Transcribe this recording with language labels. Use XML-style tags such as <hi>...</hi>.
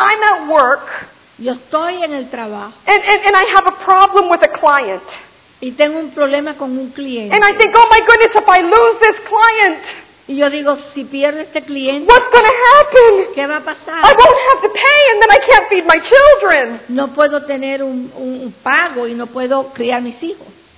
<en>I'm at work.</en> <es>Yo estoy en el trabajo.</es> <en>And I have a problem with a client.</en> <es>Y tengo un problema con un cliente.</es> <en>And I think, oh my goodness, if I lose this client,</en> <es>y yo digo, si pierdo este cliente,</es> <en>what's going to happen?</en> <es>¿Qué va a pasar?</es> <en>I won't have to pay and then I can't feed my children.</en> <es>No puedo tener un pago y no puedo criar mis hijos.</es>